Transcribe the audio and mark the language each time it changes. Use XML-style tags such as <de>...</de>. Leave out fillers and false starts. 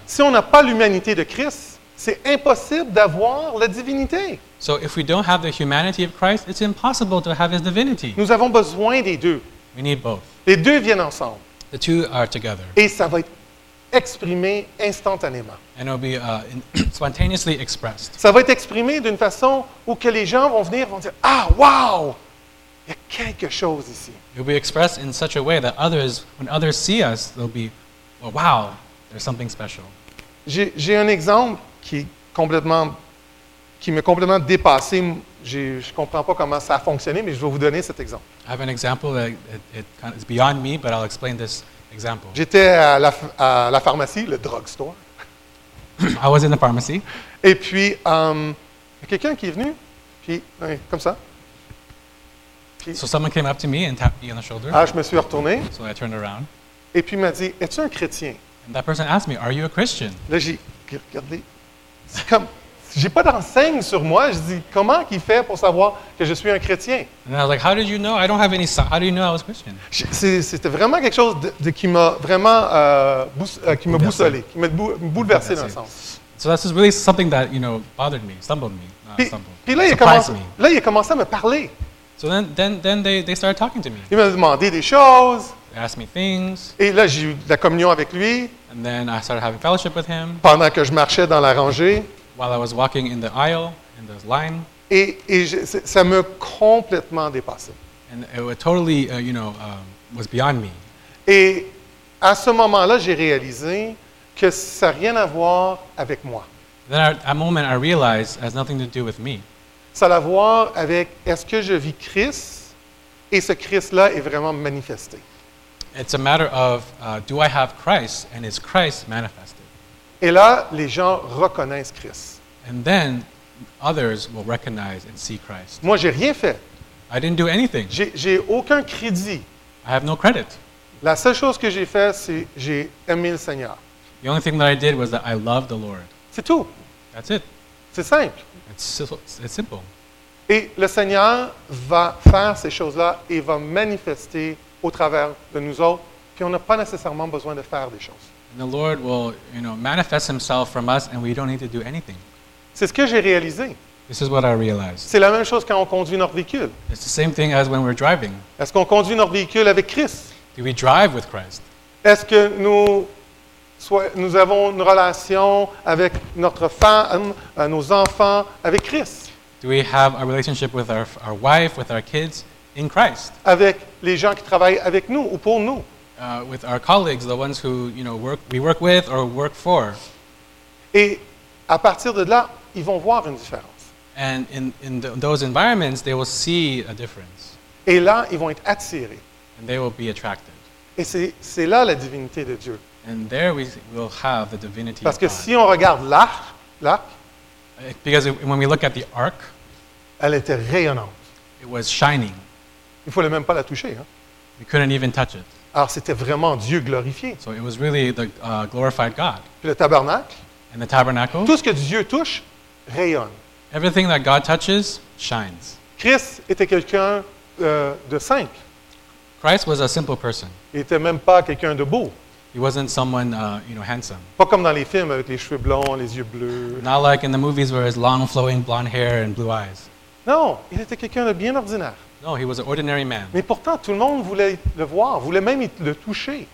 <fr>Si on n'a pas l'humanité de Christ, c'est impossible d'avoir la divinité.</fr> <en>So if we don't have the humanity of Christ, it's impossible to have his divinity.</en> <fr>Nous avons besoin des deux.</fr> <en>We need both.</en> <fr>Les deux viennent ensemble.</fr> <en>The two are together.</en> <fr>Et ça va être exprimé instantanément.</fr> <en>And it will be spontaneously expressed.</en> <fr>Ça va être exprimé d'une façon où que les gens vont venir, vont dire, ah, wow, il y a quelque chose ici.</fr> <en>It will be expressed in such a way that others, when others see us, they'll be, oh, wow, there's something special.</en> <fr>J'ai un exemple qui m'est complètement dépassé. Je ne comprends pas comment ça a fonctionné, mais je vais vous donner cet exemple.</fr> <en>I have an example that it kind of is beyond me, but I'll explain this example.</en> <fr>J'étais à la pharmacie, le drugstore.</fr> <en>I was in the pharmacy.</en> <fr>Et puis, il y a quelqu'un qui est venu, puis, oui, comme ça.</fr> <en>Puis, so someone came up to me and tapped me on the shoulder.</en> <fr>Ah, je me suis retourné.</fr> <en>So I turned around.</en> <fr>Et puis, il m'a dit, es-tu un chrétien?</fr> <en>And that person asked me, are you a Christian?</en> <fr>Là, j'ai regardé. C'est comme... J'ai pas d'enseigne sur moi. Je dis, comment qu'il fait pour savoir que je suis un chrétien?</fr> <en>And I was like, how did you know? I don't have any sign. How do you know I was Christian?</en> <fr>C'était vraiment quelque chose de qui m'a vraiment boussolé, qui m'a bouleversé dans le sens.</fr> <en>So this is really something that, you know, bothered me, stumbled me.</en> <fr>Puis là, il a commencé à me parler.</fr> <en>So then they started talking to me.</en> <fr>Il m'a demandé des choses.</fr> <en>They asked me things.</en> <fr>Et là, j'ai eu la communion avec lui.</fr> <en>And then I started having fellowship with him.</en> <fr>Pendant que je marchais dans la rangée.</fr> <en>While I was walking in the aisle, in the line.</en> <fr>Ça m'a complètement dépassé.</fr> <en>And it was totally, was beyond me.</en> <fr>Et à ce moment-là, j'ai réalisé que ça n'a rien à voir avec moi.</fr> <en>Then at a moment, I realized it has nothing to do with me.</en> <fr>Ça a à voir avec, est-ce que je vis Christ, et ce Christ-là est vraiment manifesté.</fr> <en>It's a matter of, do I have Christ, and is Christ manifested?</en> <fr>Et là, les gens reconnaissent Christ.</fr> <en>And then, others will recognize and see Christ.</en> <fr>Moi, j'ai rien fait.</fr> <en>I didn't do anything.</en> <fr>J'ai aucun crédit.</fr> <en>I have no credit.</en> <fr>La seule chose que j'ai fait, c'est j'ai aimé le Seigneur.</fr> <en>The only thing that I did was that I loved the Lord.</en> <fr>C'est tout.</fr> <en>That's it.</en> <fr>C'est simple.</fr> <en>It's simple.</en> <fr>Et le Seigneur va faire ces choses-là et va manifester au travers de nous autres, puis on n'a pas nécessairement besoin de faire des choses.</fr> <en>And the Lord will, you know, manifest himself from us and we don't need to do anything.</en> <fr>C'est ce que j'ai réalisé.</fr> <en>This is what I realized.</en> <fr>C'est la même chose quand on conduit notre véhicule.</fr> <en>It's the same thing as when we're driving.</en> <fr>Est-ce qu'on conduit notre véhicule avec Christ?</fr> <en>Do we drive with Christ?</en> <fr>Est-ce que nous avons une relation avec notre femme, nos enfants avec Christ?</fr> <en>Do we have a relationship with our wife, with our kids in Christ?</en> <fr>Avec les gens qui travaillent avec nous ou pour nous?</fr> <en>With our colleagues, the ones who, you know, we work with or work for.</en> <fr>Et à partir de là, ils vont voir une différence.</fr> <en>And in those environments, they will see a difference.</en> <fr>Et là, ils vont être attirés.</fr> <en>And they will be attracted.</en> <fr>Et c'est là la divinité de Dieu.</fr> <en>And there we will have the divinity.</en> <fr>Parce que si on regarde l'arc,</fr> <en>because when we look at the arc,</en> <fr>elle était rayonnante.</fr> <en>It was shining.</en> <fr>Il fallait même pas la toucher, hein.</fr> <en>We couldn't even touch it.</en> <fr>Alors, c'était vraiment Dieu glorifié.</fr> <en>So it was really the glorified God.</en> <fr>Puis le tabernacle.</fr> <en>And the tabernacle.</en> <fr>Tout ce que Dieu touche rayonne.</fr> <en>Everything that God touches shines.</en> <fr>Christ était quelqu'un de simple.</fr> <en>Christ was a simple person.</en> <fr>Il n'était même pas quelqu'un de beau.</fr> <en>He wasn't someone, handsome.</en> <fr>Pas comme dans les films avec les cheveux blonds, les yeux bleus.</fr> <en>Not like in the movies where his long flowing blonde hair and blue eyes.</en> <fr>Non, il était quelqu'un de bien ordinaire.</fr> <en>No, he was an ordinary man.</en> <fr>Mais pourtant, tout le monde voulait le voir, voulait même le toucher.</fr>